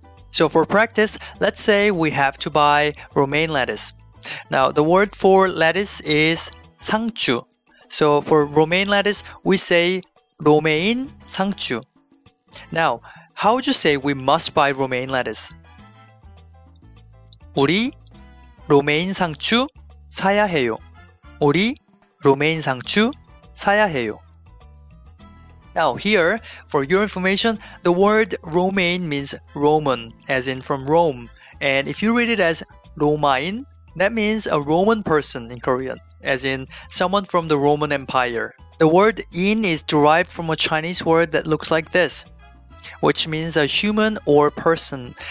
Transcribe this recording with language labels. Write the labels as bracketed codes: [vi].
[en] So for practice, let's say we have to buy romaine lettuce. Now, the word for lettuce is 상추. So for romaine lettuce, we say 로메인 상추. Now, how would you say we must buy romaine lettuce? [ko] 우리 로메인 상추 사야 해요. 우리 로메인 상추 사야 해요. [en] Now here, for your information, the word romaine means Roman, as in from Rome. And if you read it as 로마인, that means a Roman person in Korean, as in someone from the Roman Empire. The word 인 is derived from a Chinese word that looks like this, which means a human or person.